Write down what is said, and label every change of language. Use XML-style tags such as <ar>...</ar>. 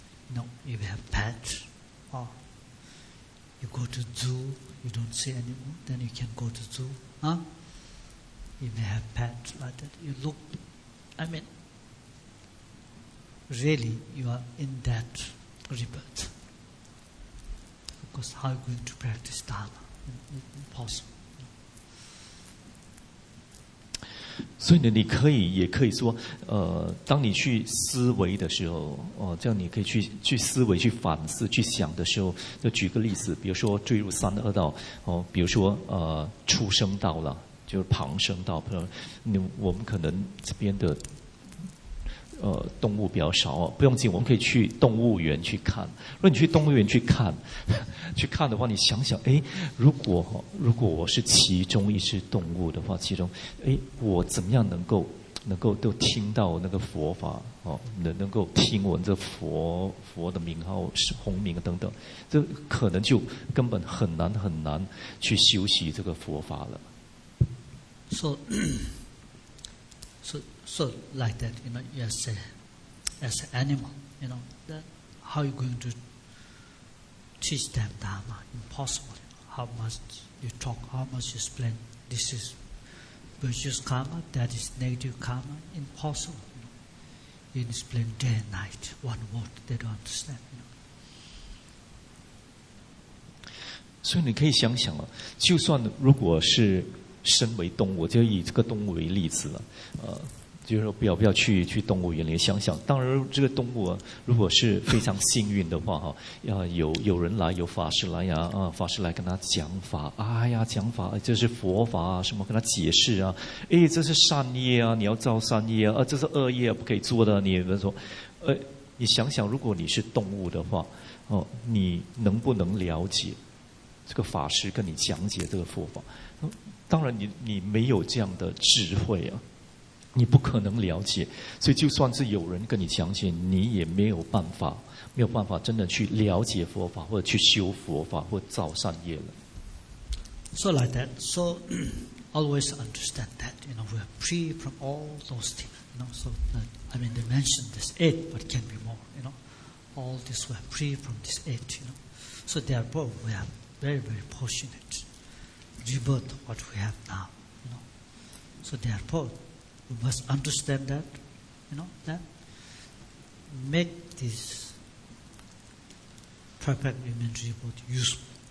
<en>You know, if you have pet, or you go to zoo, you don't see animal, then you can go to zoo. If you have pet like that, you look. I mean. Really, you are in that rebirth. Because how are you going to practice Dharma? Impossible.</en> <zh>所以呢，你可以也可以说，当你去思维的时候，这样你可以去思维、去反思、去想的时候，就举个例子，比如说坠入三恶道，比如说出生道了，就是旁生道，比如我们可能这边的。动物比较少哦，不用紧，我们可以去动物园去看。如果你去动物园去看的话，你想想，哎，如果我是其中一只动物的话，其中，哎，我怎么样能够都听到那个佛法哦，能够听闻这佛的名号、洪名等等，这可能就根本很难很难去修习这个佛法了。</zh> <en>So like that, you know, as an animal, you know, then how are you going to teach them Dharma? Impossible. How much you talk, how much you explain, this is virtuous karma, that is negative karma, impossible. You know? You explain day and night, one word, they don't understand. You know?</en> <zh>所以你可以想想，就算如果是身为动物，就以这个动物为例子了，就是说不要去动物园里想想。当然这个动物啊，如果是非常幸运的话哈，要有人来，有法师来呀，法师来跟他讲法，哎呀，讲法这是佛法啊，什么跟他解释啊，哎，这是善业啊，你要造善业啊，这是恶业啊，不可以做的。你们说，你想想，如果你是动物的话，你能不能了解这个法师跟你讲解这个佛法？当然你没有这样的智慧啊，你不可能了解，所以就算是有人跟你讲解，你也没有办法真的去了解佛法，或者去修佛法，或者造善业了。</zh> <en>So like that, so always understand that, you know, we are free from all those things, you know, so that, I mean, they mentioned this eight, but can be more, you know, all this, we are free from this eight, you know, so therefore we are very, very fortunate, rebirth what we have now, you know, so therefore,We must understand that, you know, that make this perfect human rebirth useful.</en>